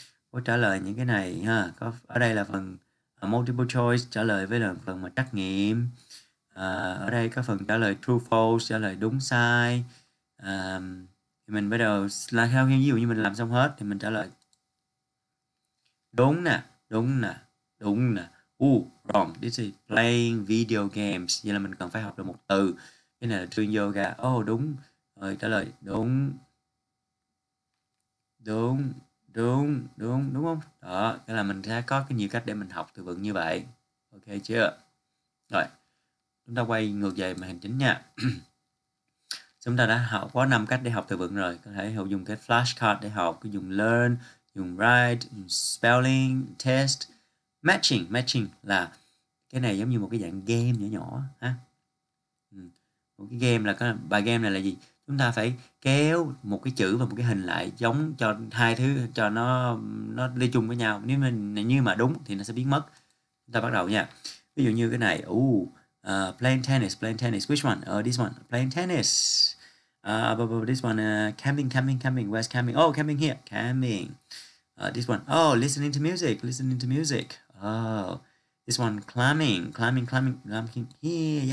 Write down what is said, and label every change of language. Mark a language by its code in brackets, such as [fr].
[vi] Cô trả lời những cái này ha. Có, ở đây là phần multiple choice trả lời với là phần mà trắc nghiệm. Ở đây có phần trả lời true false, trả lời đúng sai. Thì mình bắt đầu là theo ví dụ như mình làm xong hết thì mình trả lời đúng nè, đúng nè, đúng nè. [en] Wrong. This is playing video games. [vi] Vậy là mình cần phải học được một từ. Cái này là [en] doing yoga. [vi] Đúng. Rồi trả lời đúng. Đúng, đúng, đúng, đúng không? Đó, cái là mình sẽ có cái nhiều cách để mình học từ vựng như vậy. Ok chưa? Rồi. Chúng ta quay ngược về màn hình chính nha. Chúng ta đã học có 5 cách để học từ vựng rồi. Có thể hữu dùng cái flashcard để học, có dùng learn, dùng write, dùng spelling, test, matching. Matching là cái này giống như một cái dạng game nhỏ nhỏ ha. Một cái game là cái bài game này là gì? Chúng ta phải kéo một cái chữ và một cái hình lại giống cho hai thứ cho nó đi chung với nhau. Nếu mình như mà đúng thì nó sẽ biến mất. Chúng ta bắt đầu nha. Ví dụ như cái này. [en] Playing tennis, which one? This one. Playing tennis. This one. Camping, camping, camping. Where's camping? Camping here. Camping. This one. Listening to music, listening to music. This one. Climbing, climbing, climbing, climbing here.